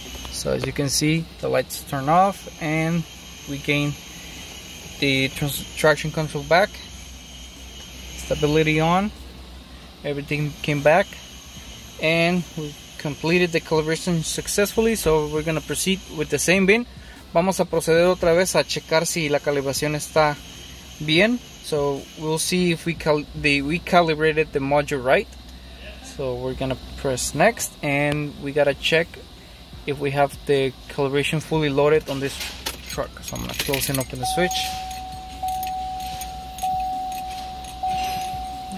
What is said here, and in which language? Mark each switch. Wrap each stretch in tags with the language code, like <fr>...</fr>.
<en>So as you can see, the lights turn off and we gain the traction control back, stability on, everything came back, and we completed the calibration successfully. So we're gonna proceed with the same bin.</en> <es>Vamos a proceder otra vez a checar si la calibración está bien.</es> <en>So we'll see if we calibrated the module right. So we're gonna press next, and we gotta check if we have the calibration fully loaded on this truck. So I'm gonna close and open the switch.</en>